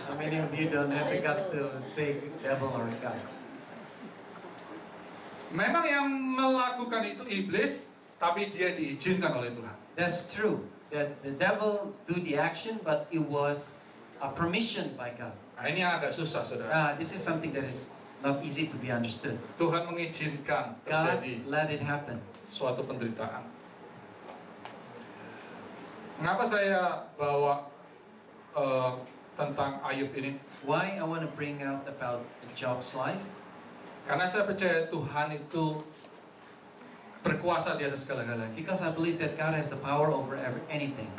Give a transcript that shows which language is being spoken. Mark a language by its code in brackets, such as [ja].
[en] How many of you don't have the guts to say devil or God? [id] Memang yang melakukan itu iblis, tapi dia diizinkan oleh Tuhan. [en] That's true. That the devil do the action, but it was a permission by God. [id] Nah, ini yang agak susah, saudara. [en] This is something that is not easy to be understood. [id] Tuhan mengizinkan terjadi. [en] God let it happen. [id] Suatu penderitaan. Kenapa saya bawa tentang Ayub ini? [en] Why I want to bring out about Job's life? [id] Karena saya percaya Tuhan itu berkuasa di atas segala-galanya. [en] Because I believe that God has the power over anything.